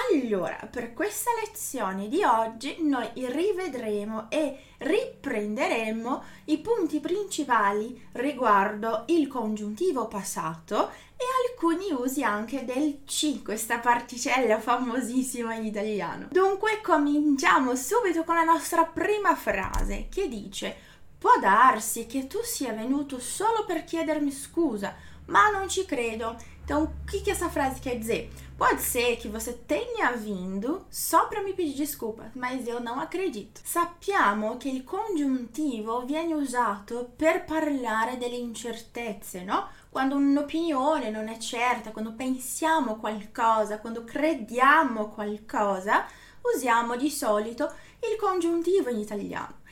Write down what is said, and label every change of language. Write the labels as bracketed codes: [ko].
[it] Allora, per questa lezione di oggi noi rivedremo e riprenderemo i punti principali riguardo il congiuntivo passato e alcuni usi anche del ci, questa particella famosissima in italiano. Dunque, cominciamo subito con la nostra prima frase che dice: può darsi che tu sia venuto solo per chiedermi scusa, ma non ci credo. [pt] Então, o que que essa frase quer dizer? Pode ser que você tenha vindo só para me pedir desculpas, mas eu não acredito. [it] Sappiamo che il congiuntivo viene usato per parlare delle incertezze, no? Quando un'opinione non è certa, quando pensiamo qualcosa, quando crediamo qualcosa, usiamo di solito il congiuntivo in italiano.